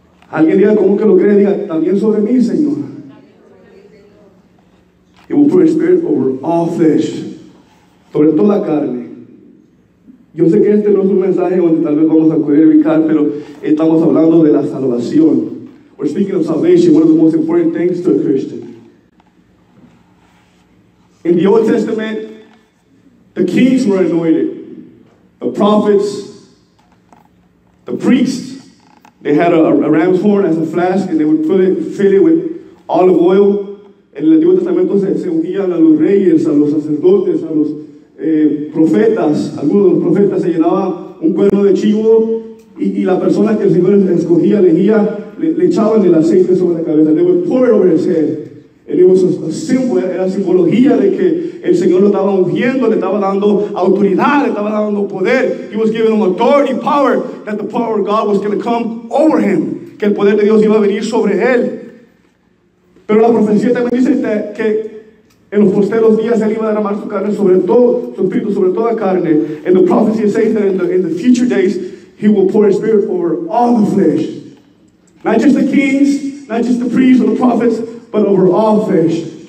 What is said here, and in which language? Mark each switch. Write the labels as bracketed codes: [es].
[es] Alguien diga, como que lo cree, diga, también sobre mí, Señor. [en] He will put his spirit over all flesh. [es] Sobre toda carne. Yo sé que este no es un mensaje donde tal vez vamos a cuidar, pero estamos hablando de la salvación. [en] We're speaking of salvation, one of the most important things to a Christian. In the Old Testament, the kings were anointed. The prophets, the priests, they had a ram's horn as a flask, and they would fill it with olive oil. [es] En el Antiguo Testamento se ungían a los reyes, a los sacerdotes, a los profetas. Algunos de los profetas se llenaban un cuerno de chivo, y la persona que el Señor escogía, elegía, le echaban el aceite sobre la cabeza. [en] They would pour it over his head. And it was a symbol, [es] era simbología de que el Señor lo estaba ungiendo, le estaba dando autoridad, le estaba dando poder. [en] He was giving him authority, power, that the power of God was going to come over him. [es] Que el poder de Dios iba a venir sobre él. Pero la profecía también dice que en los posteros días él iba a derramar su carne sobre todo, su espíritu sobre toda carne. [en] And the prophecy says that in the future days, he will pour his spirit over all the flesh. Not just the kings, not just the priests or the prophets, but over all flesh.